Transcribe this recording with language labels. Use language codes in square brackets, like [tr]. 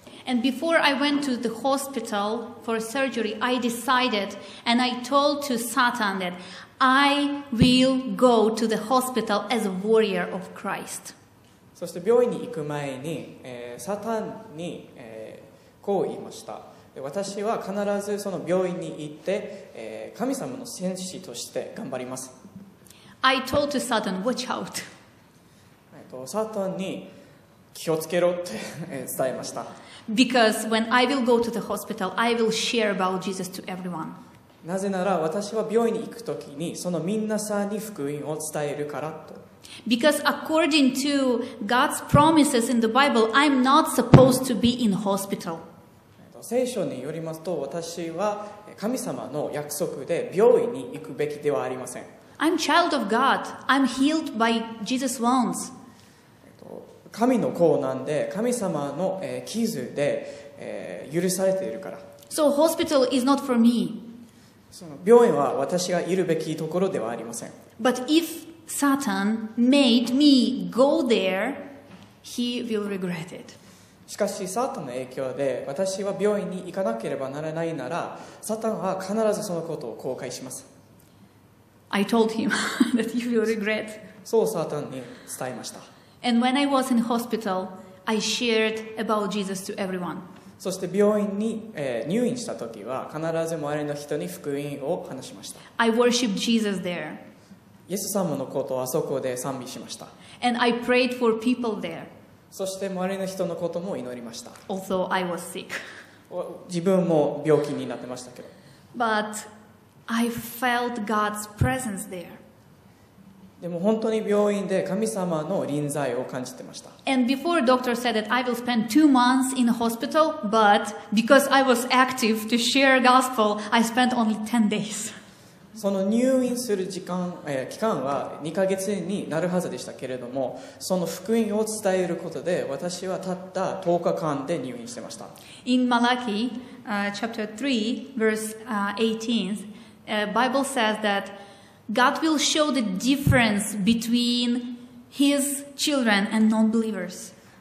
[en] And before I went to the hospital for surgery, I decided and I told to Satan that I will go to the hospital as a warrior of Christ. [ja] そして病院に行く前に、サタンに、こう言いました。私は必ずその病院に行って、神様の戦士として頑張ります。 [en] I told to Satan, watch out. [ja] サタンに気をつけろって伝えました。 [en] Because when I will go to the hospital, I will share about Jesus to everyone. [ja] なぜなら私は病院に行くときにそのみんなさんに福音を伝えるからと。 [en] Because according to God's promises in the Bible, I'm not supposed to be in hospital. [ja] 聖書によりますと私は神様の約束で病院に行くべきではありません。 [en] I'm child of God. I'm healed by Jesus' wounds. [ja] 神の子なんで神様の傷で許されているから。 [en] So hospital is not for me. [ja] その病院は私がいるべきところではありません。 [en] But if Satan made me go there, he will regret it. [ja] しかしサタンの影響で私は病院に行かなければならないならサタンは必ずそのことを後悔します。 [en] I told him that you will regret. [ja] そうサタンに伝えました。 [en] And when I was in hospital, I shared about Jesus to everyone. [ja] そして病院に、入院した時は必ず周りの人に福音を話しました。 [en] I worshiped Jesus there. [ja] イエス様のことをあそこで賛美しました。 [en] And I prayed for people there. [ja] そして周りの人のことも祈りました。 [en] Also, I was sick. [ja] 自分も病気になってましたけど。 [en] But I felt God's presence there. [ja] でも本当に病院で神様の臨在を感じてました。 [en] And before doctor said that I will spend 2 months in hospital, but because I was active to share gospel, I spent only 10 days. [ja] その入院する時間、期間は2ヶ月になるはずでしたけれども、その福音を伝えることで私はたった10日間で入院してました。 [en] In Malachi, chapter 3, verse 18, Bible says thatGod will show the difference between His children and non-believers.